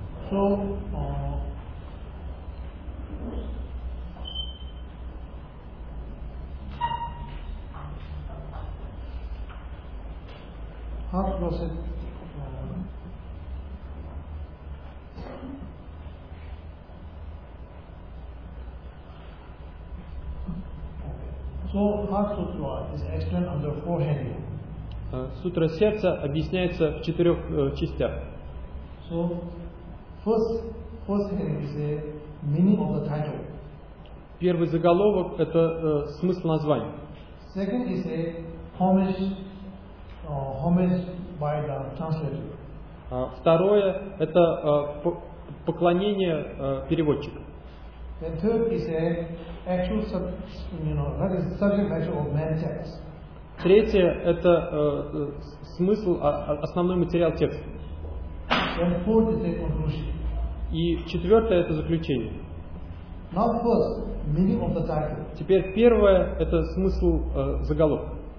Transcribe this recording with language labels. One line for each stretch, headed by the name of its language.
English: So, Heart Sutra is explained under four headings.
Russian: Сутра сердца объясняется в четырех частях.
English: So, first thing is the meaning of the title.
Russian: Первый заголовок – это смысл названия.
English: Second is a homage by the translator.
Russian: Второе – это поклонение переводчика.
English: The third is a actual that is subject of main text.
Russian: Третье – это смысл, основной материал текста.
English: And fourth is a conclusion.
Russian: И четвертое – это заключение.
English: Now first, meaning of the title.
Russian: Теперь первое – это смысл заголовка.